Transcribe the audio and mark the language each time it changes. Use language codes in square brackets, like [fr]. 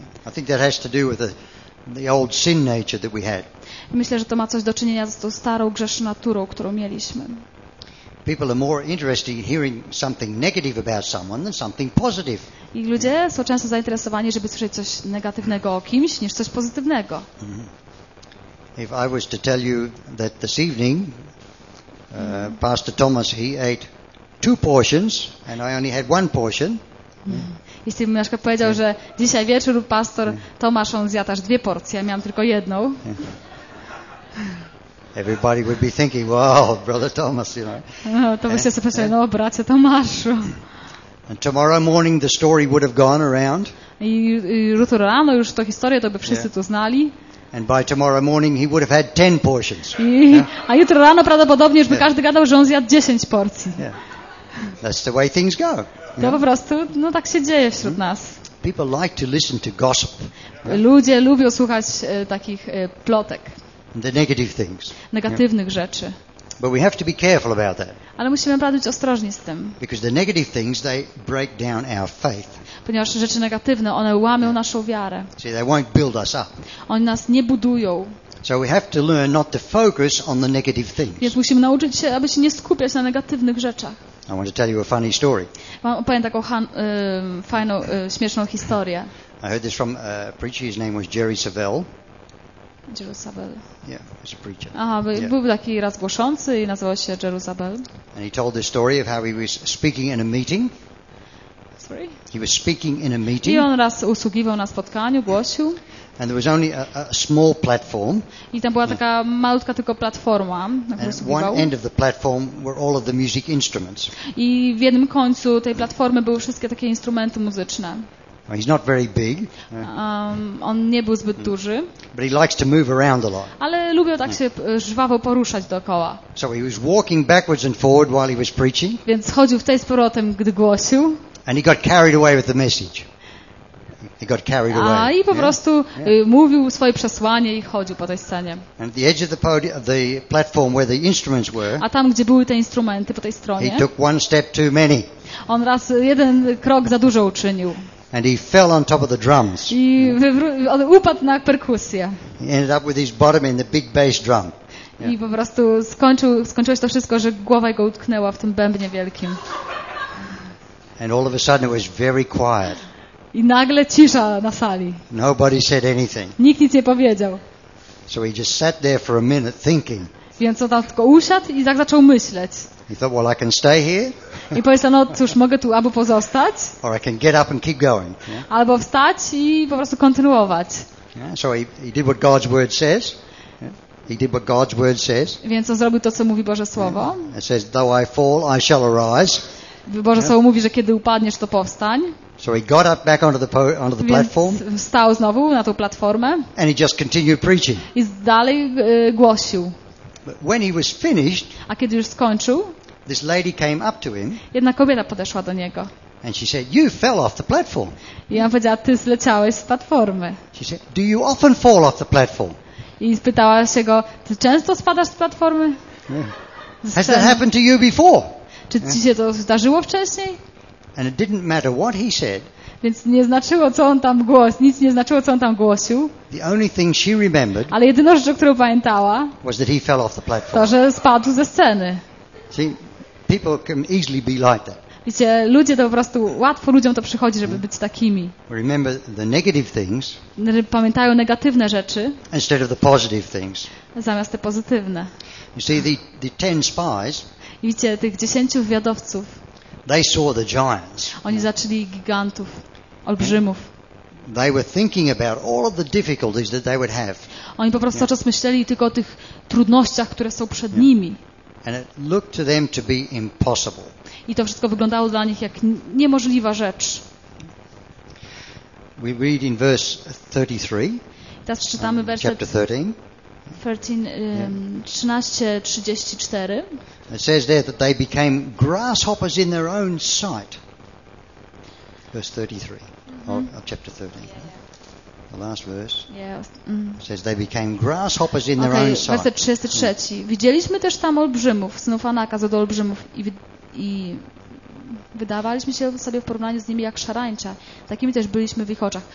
[en] I think that has to do with the old sin nature that we had. [pl] Myślę, że to ma coś do czynienia z tą starą grzeszną naturą, którą mieliśmy. [en] People are more interested in hearing something negative about someone than something positive. [pl] I ludzie są często zainteresowani, żeby słyszeć coś negatywnego o kimś, niż coś pozytywnego. [en] If I was to tell you that this evening Pastor Thomas, he ate two portions and I only had one portion. [pl] Jeśli bym Jaszka powiedział, że dzisiaj wieczór pastor Tomasz, on zjadł aż dwie porcje, a miałam tylko jedną. [en] Everybody would be thinking, wow, brother Thomas, you know. [pl] To by się zapytali, no bracie Tomaszu. [en] And tomorrow morning the story would have gone around. [pl] I jutro rano już tą historię to by wszyscy tu znali. [en] And by tomorrow morning he would have had 10 portions. [pl] A jutro rano prawdopodobnie już by każdy gadał, że on zjadł 10 porcji. [en] That's the way things go. [pl] To po prostu, no tak się dzieje wśród nas. [en] People like to listen to gossip. [pl] Ludzie lubią słuchać takich plotek. [en] The negative things. [pl] Negatywnych rzeczy. [en] But we have to be careful about that. [pl] Ale musimy być ostrożni z tym. [en] Because the negative things, they break down our faith. [pl] Ponieważ rzeczy negatywne, one łamią naszą wiarę. [en] See, they won't build us up. [pl] Oni nas nie budują. [en] So we have to learn not to focus on the negative things. [pl] Więc musimy nauczyć się, aby się nie skupiać na negatywnych rzeczach. [en] I want to tell you a funny story. [pl] Mam opowiem taką fajną, śmieszną historię. [en] I heard this from a preacher. His name was Jerry Savelle. Jerry Savelle. Yeah, he's a preacher. [pl] Aha, był taki raz głoszący i nazywał się Jerry Savelle. [en] And he told the story of how he was speaking in a meeting. Sorry. He was speaking in a meeting. [pl] I on raz usługiwał na spotkaniu, głosił. [en] And there was only a small platform. [pl] I tam była taka malutka tylko platforma, na którą usługiwał. [en] And one end of the platform were all of the music instruments. [pl] I w jednym końcu tej platformy były wszystkie takie instrumenty muzyczne. [en] He's not very big. [pl] On nie był zbyt duży. [en] But he likes to move around a lot. [pl] Ale lubił tak się żwawo poruszać dookoła. [en] So he was walking backwards and forward while he was preaching. [pl] Więc chodził w tej z powrotem, gdy głosił. [en] And he got carried away with the message. He got carried away. [pl] A i po prostu mówił swoje przesłanie i chodził po tej scenie. [en] And at the edge of the podium, the platform where the instruments were. [pl] A tam, gdzie były te instrumenty po tej stronie. [en] He took one step too many. [pl] On raz jeden krok za dużo uczynił. [en] And he fell on top of the drums. [pl] I upadł na perkusję. [en] He ended up with his bottom in the big bass drum. [pl] I po prostu skończyło się to wszystko, że głowa jego utknęła w tym bębnie wielkim. [en] And all of a sudden it was very quiet. [pl] I nagle cisza na sali. [en] Nobody said anything. [pl] Nikt nic nie powiedział. [en] So he just sat there for a minute thinking. [pl] Więc on tam tylko usiadł i tak zaczął myśleć. [en] He thought, well, I can stay here. [pl] I powiedział, no cóż, mogę tu albo pozostać. [en] Or I can get up and keep going. [pl] Albo wstać i po prostu kontynuować. [en] So he did what God's word says. He did what God's word says. [pl] Więc on zrobił to, co mówi Boże Słowo. [en] It says, though I fall, I shall arise. [pl] Boże Słowo mówi, że kiedy upadniesz, to powstań. [en] So he got up back onto the platform. [pl] Wstał znowu na tą platformę. [en] And he just continued preaching. [pl] I dalej głosił. [en] But when he was finished, [pl] a kiedy już skończył, [en] this lady came up to him. [pl] Jedna kobieta podeszła do niego. [en] And she said, "You fell off the platform." [pl] I ona powiedziała, ty zleciałeś z platformy. [en] She said, "Do you often fall off the platform?" [pl] I spytała się go, ty często spadasz z platformy? [en] Yeah. Has that happened to you before? [pl] Czy ci się to zdarzyło wcześniej? [en] And it didn't matter what he said. [pl] Więc nie znaczyło, co on tam głosił. Nic nie znaczyło, co on tam głosił. [en] The only thing she remembered. [pl] Ale jedyną rzeczą, którą pamiętała, [en] was that he fell off the platform. [pl] To, że spadł ze sceny. [en] See, people can easily be like that. [pl] Wiecie, ludzie to po prostu łatwo ludziom to przychodzi, żeby być takimi. [en] Remember the negative things. [pl] Pamiętają negatywne rzeczy. [en] Instead of the positive things. [pl] Zamiast te pozytywne. [en] You see, the ten spies. [pl] I wiecie, tych 10 wywiadowców. [en] They saw the giants. [pl] Oni zaczęli gigantów, olbrzymów. [en] They were thinking about all of the difficulties that they would have. [pl] Oni po prostu czas myśleli tylko o tych trudnościach, które są przed nimi. [en] And it looked to them to be impossible. [pl] I to wszystko wyglądało dla nich jak niemożliwa rzecz. [en] We read in verse 33. [pl] Teraz czytamy werset 13:34. [en] It says there that they became grasshoppers in their own sight. Verse 33 of chapter 13. The last verse. Says they became grasshoppers in their own sight. [pl] Werset 33. Widzieliśmy też tam olbrzymów, synów Anaka, co do olbrzymów i wydawaliśmy się sobie w porównaniu z nimi jak szarańcza. Takimi też byliśmy w ich oczach.